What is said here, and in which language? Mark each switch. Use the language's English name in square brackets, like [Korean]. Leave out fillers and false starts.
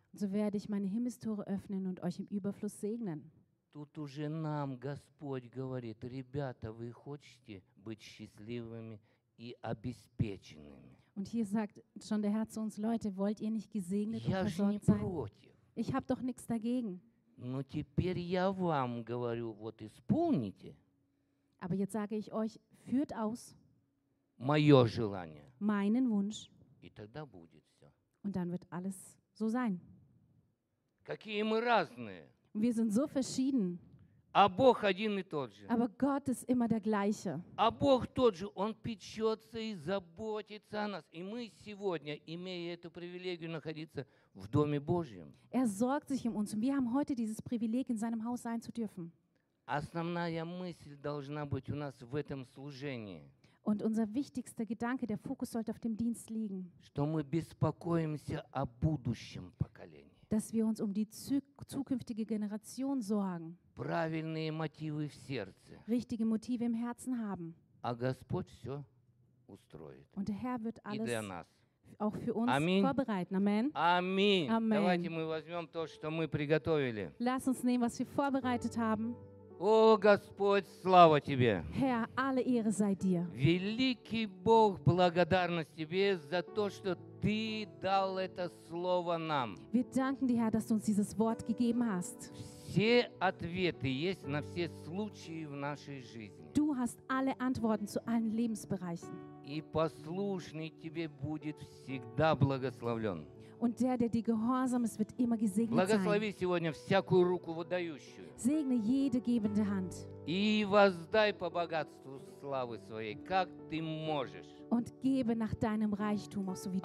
[German] So werde ich meine Himmelstore öffnen und euch im Überfluss segnen. [Russian] Тут уже нам Господь говорит, ребята, вы хотите быть счастливыми и обеспеченными? [German] Und hier sagt schon der Herr zu uns, Leute, wollt ihr nicht gesegnet und versorgt sein? Ich habe doch nichts dagegen. [Russian] Но теперь я вам говорю, вот исполните. [German] Aber jetzt sage ich euch, führt aus. [Russian] Мое желание. [German] Meinen Wunsch. [Russian] И тогда будет все. [German] Und dann wird alles so sein. [Russian] Какие мы разные. [German] Wir sind so verschieden. [Russian] А Бог один и тот же. [German] Aber Gott ist immer der gleiche. [Russian] А Бог тот же, Он печется и заботится о нас. И мы сегодня, имея эту привилегию находиться в Доме Божьем. [German] Er sorgt sich um uns und wir haben heute dieses Privileg, in seinem Haus sein zu dürfen. [Russian] Основная мысль должна быть у нас в этом служении. [German] Und unser wichtigster Gedanke, der Fokus sollte auf dem Dienst liegen. [Russian] Что мы беспокоимся о будущем поколении. [German] Dass wir uns um die zukünftige Generation sorgen. [Russian] Правильные мотивы в сердце. [German] Richtige Motive im Herzen haben. [Russian] А Господь все устроит. [German] Und der Herr wird alles [Russian] и для нас. [German] Auch für uns Аминь. Vorbereiten. Amen. [Russian] Аминь. [German] Amen. [Russian] Давайте мы возьмем то, что мы приготовили. [German] Lass uns nehmen, was wir vorbereitet haben. [Russian] О, Господь, слава Тебе! [German] Herr, alle Ehre sei dir. [Russian] Великий Бог, благодарность Тебе за то, что Ты дал это слово нам. [German] Wir danken dir, Herr, dass du uns dieses Wort gegeben hast. [Russian] Все ответы есть на все случаи в нашей жизни. [German] Du hast alle Antworten zu allen Lebensbereichen. [Russian] И послушный Тебе будет всегда благословлен. [German] Und der dir gehorsam ist, wird immer gesegnet sein. [Russian] Благослови сегодня всякую руку выдающую. [German] Segne jede gebende Hand. [Russian] И воздай по богатству славы своей, как ты можешь. [German] Und gebe nach deinem Reichtum, auch so wie du